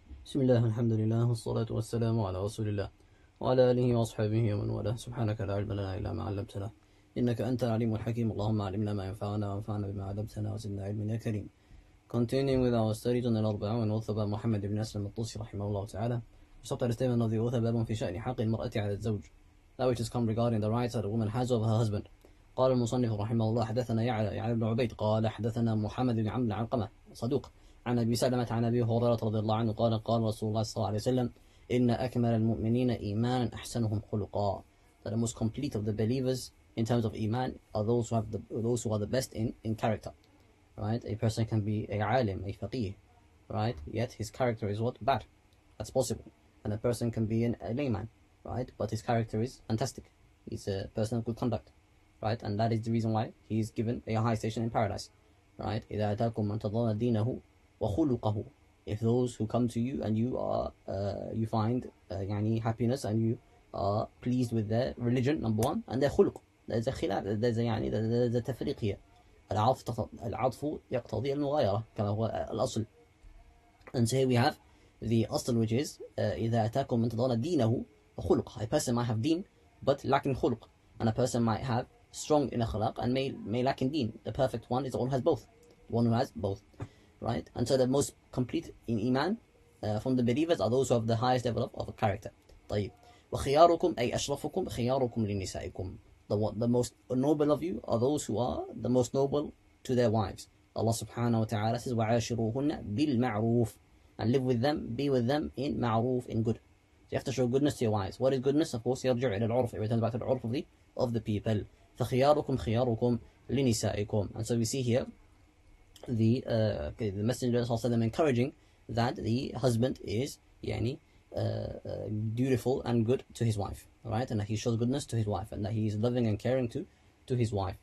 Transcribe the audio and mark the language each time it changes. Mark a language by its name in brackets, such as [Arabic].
[Arabic] بسم الله الحمد لله والصلاة والسلام على رسول الله وعلى آله وأصحابه ومن والاه. سبحانك لا علم لنا إلا ما علمتنا إنك أنت العليم الحكيم. اللهم علمنا ما ينفعنا وانفعنا بما علمتنا وزدنا علما يا كريم. [English] Continuing with our studies on the Arba'un and Uthba Muhammad ibn Aslam al-Tusi رحمه الله تعالى. We stopped at a statement of the Uthba ibn [Arabic] في شأن حق المرأة على الزوج, [English] that which has come regarding the rights that a woman has over her husband. [Arabic] قال المصنف رحمه الله حدثنا يعلى يعلى بن عبيد قال حدثنا محمد بن عمرو العلقمة صدوق عن أبي سلمة عن أبي هريرة رضي الله عنه قال قال رسول الله صلى الله عليه وسلم إن أكمل المؤمنين إيمانا أحسنهم خلقا. [English] That the most complete of the believers in terms of إيمان are those who are the best in character. Right? A person can be a عالم, a فقيه. Right? Yet his character is what? Bad. That's possible. And a person can be a layman. Right? But his character is fantastic. He's a person of good conduct. Right? And that is the reason why he is given a high station in paradise. Right? [Arabic] إذا أتاكم من تضل دينه وخلقه. [English] If those who come to you and you are you find يعني happiness and you are pleased with their religion, number one, and their خلق, there's a خلاف, there's a يعني there's a تفريق here. [Arabic] العطف يقتضي المغايرة كما هو الأصل. [English] And so here we have the أصل, which is [Arabic] إذا أتاكم من تضل دينه وخلق. [English] A person might have deen but lacking خلق, and a person might have strong in أخلاق and may lack in deen. The perfect one is the one who has both, one who has both. Right? And so the most complete in Iman from the believers are those who have the highest level of a character. [Arabic] طيب. وخياركم أي أشرفكم خياركم لنسائكم. [English] The most noble of you are those who are the most noble to their wives. Allah subhanahu wa ta'ala says [Arabic] وعاشروهن بالمعروف, [English] and live with them, be with them in ma'roof, in good. So you have to show goodness to your wives. What is goodness? Of course, [Arabic] يرجع إلى العرف. [English] It returns back to the عرف of the people. [Arabic] فخياركم خياركم لنسائكم. [English] And so we see here the messenger also them encouraging that the husband is يعني dutiful and good to his wife, right, and that he shows goodness to his wife and that he is loving and caring to his wife.